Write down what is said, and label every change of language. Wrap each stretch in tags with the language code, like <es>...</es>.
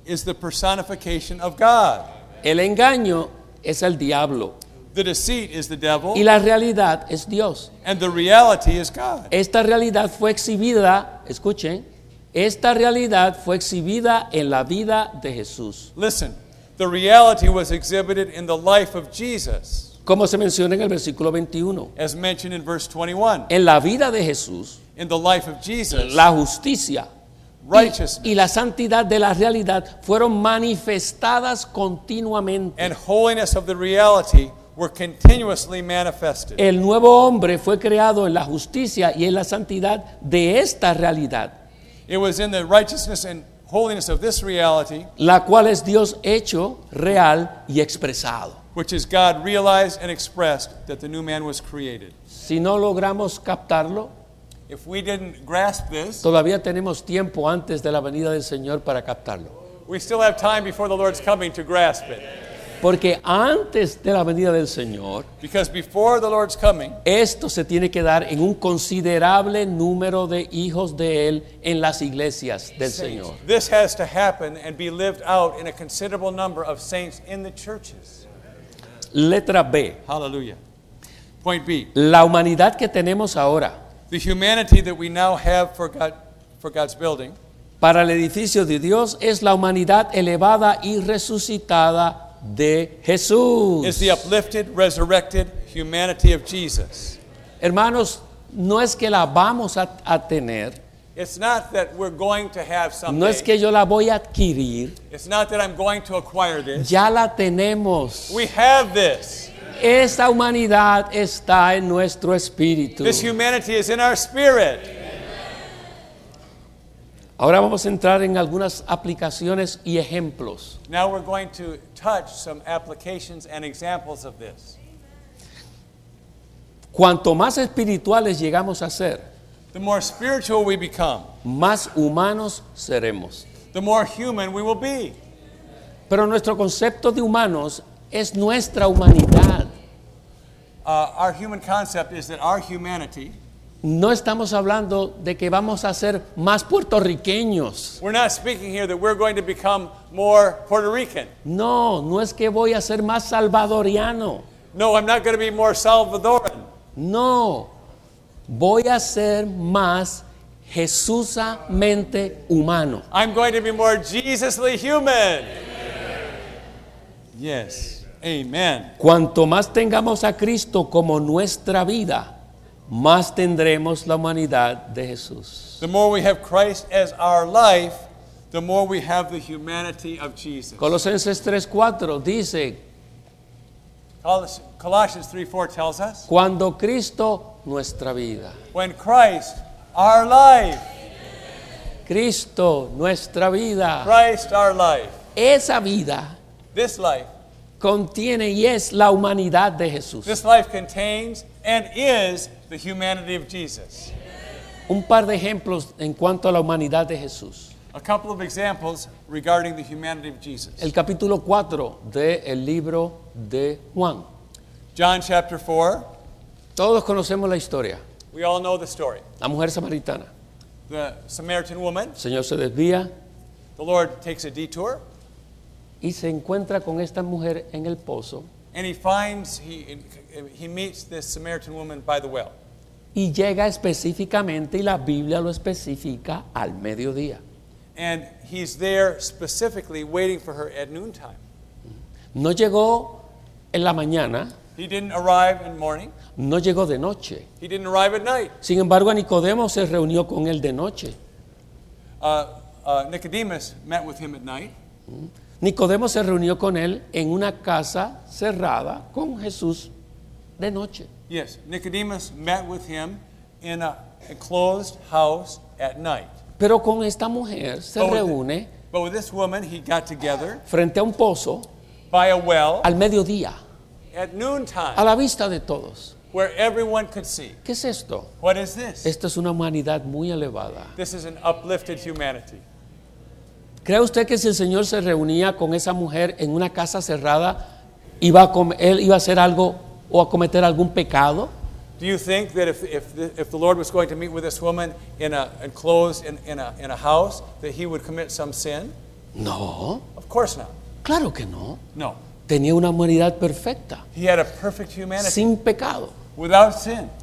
<en>Is the personification of God.</en> <es>El engaño es el diablo.</es> <en>The deceit is the devil.</en> <es>Y la realidad es Dios.</es> <en>And the reality is God.</en> <es>Esta realidad fue exhibida, escuchen. Esta realidad fue exhibida en la vida de Jesús.</es> <en>Listen, the reality was exhibited in the life of Jesus.</en> <es>Como se menciona en el versículo 21.</es> <en>As mentioned in verse 21.</en> <es>En la vida de Jesús.</es> <en>In the life of Jesus.</en> <es>La justicia.</es> <en>Righteousness.</en> <es>Y la santidad de la realidad fueron manifestadas continuamente.</es> <en>And holiness of the reality were continuously manifested.</en> <es>El nuevo hombre fue creado en la justicia y en la santidad de esta realidad.</es> <en>It was in the righteousness and holiness of this reality,</en> <es>la cual es Dios hecho, real y expresado.</es> <en>Which is God realized and expressed that the new man was created.</en> <es>Si no logramos captarlo,</es> <en>if we didn't grasp this,</en> <es>todavía tenemos tiempo antes de la venida del Señor para captarlo.</es> <en>We still have time before the Lord's coming to grasp it.</en> <es>Porque antes de la venida del Señor,</es> <en>because before the Lord's coming,</en> <es>esto se tiene que dar en un considerable número de hijos de Él en las iglesias del Señor.</es> <en>This has to happen and be lived out in a considerable number of saints in the churches.</en> <es>Letra B.</es> <en>Hallelujah. Point B.</en> <es>La humanidad que tenemos ahora.</es> <en>The humanity that we now have for God, for God's building.</en> <es>Para el edificio de Dios es la humanidad elevada y resucitada de Jesús.</es> <en>Is the uplifted, resurrected humanity of Jesus.</en> <es>Hermanos, no es que la vamos a tener.</es> <en>It's not that we're going to have someday.</en> <es>No es que yo la voy a adquirir.</es> <en>It's not that I'm going to acquire this.</en> <es>Ya la tenemos.</es> <en>We have this.</en> <es>Esta humanidad está en nuestro espíritu.</es> <en>This humanity is in our spirit.</en> <es>Ahora vamos a entrar en algunas aplicaciones y ejemplos.</es> <en>Now we're going to touch some applications and examples of this.</en> <es>Cuanto más espirituales llegamos a ser,</es> <en>the more spiritual we become.</en> <es>Más humanos seremos.</es> <en>The more human we will be.</en> <es>Pero nuestro concepto de humanos es nuestra humanidad.</es> <en>Our human concept is that our humanity.</en> <es>No estamos hablando de que vamos a ser más puertorriqueños.</es> <en>We're not speaking here that we're going to become more Puerto Rican.</en> <es>No, no es que voy a ser más salvadoriano.</es> <en>No, I'm not going to be more Salvadoran.</en> <es>No, voy a ser más Jesusamente humano.</es> <en>I'm going to be more Jesusly human.</en> <es>Amen.</es> <en>Yes, amen.</en> <es>Cuanto más tengamos a Cristo como nuestra vida, más tendremos la humanidad de Jesús.</es> <en>The more we have Christ as our life, the more we have the humanity of Jesus.</en> <es>Colosenses 3:4 dice.</es> <en>Colossians 3:4 tells us.</en> <es>Cuando Cristo, nuestra vida.</es> <en>When Christ, our life.</en> <es>Cristo, nuestra vida.</es> <en>Christ, our life.</en> <es>Esa vida.</es> <en>This life.</en> <es>Contiene y es la humanidad de Jesús.</es> <en>This life contains and is the humanity of Jesus.</en> <es>Un par de ejemplos en cuanto a la humanidad de Jesús.</es> <en>A couple of examples regarding the humanity of Jesus.</en> <es>El capítulo 4 del libro de Juan.</es> <en>John chapter 4.</en> <es>Todos conocemos la historia.</es> <en>We all know the story.</en> <es>La mujer samaritana.</es> <en>The Samaritan woman.</en> <es>El Señor se desvía.</es> <en>The Lord takes a detour.</en> <es>Y se encuentra con esta mujer en el pozo.</es> <en>And he meets this Samaritan woman by the well.</en> <es>Y llega específicamente, y la Biblia lo especifica, al mediodía.</es> <en>And he's there specifically waiting for her at noontime.</en> <es>No llegó en la mañana.</es> <en>He didn't arrive in the morning.</en> <es>No llegó de noche.</es> <en>He didn't arrive at night.</en> <es>Sin embargo, Nicodemo se reunió con él de noche.</es> <en>Nicodemus met with him at night.</en> <es>Nicodemo se reunió con él en una casa cerrada con Jesús de noche.</es> <en>Yes, Nicodemus met with him in a enclosed house at night.</en> <es>Pero con esta mujer se reúne.</es> <en>But with this woman he got together.</en> <es>Frente a un pozo.</es> <en>By a well.</en> <es>Al mediodía.</es> <en>At noontime.</en> <es>A la vista de todos.</es> <en>Where everyone could see.</en> <es>¿Qué es esto?</es> <en>What is this?</en> <es>Esto es una humanidad muy elevada.</es> <en>This is an uplifted humanity.</en> <es>¿Cree usted que si el Señor se reunía con esa mujer en una casa cerrada, él iba a hacer algo o a cometer algún pecado?</es> <en>Do you think that if the Lord was going to meet with this woman in a enclosed in a house, that he would commit some sin?</en> <es>No.</es> <en>Of course not.</en> <es>Claro que no.</es> <en>No.</en> <es>Tenía una humanidad perfecta.</es> <en>He had a perfect humanity.</en> <es>Sin pecado.</es> <en>Without sin.</en>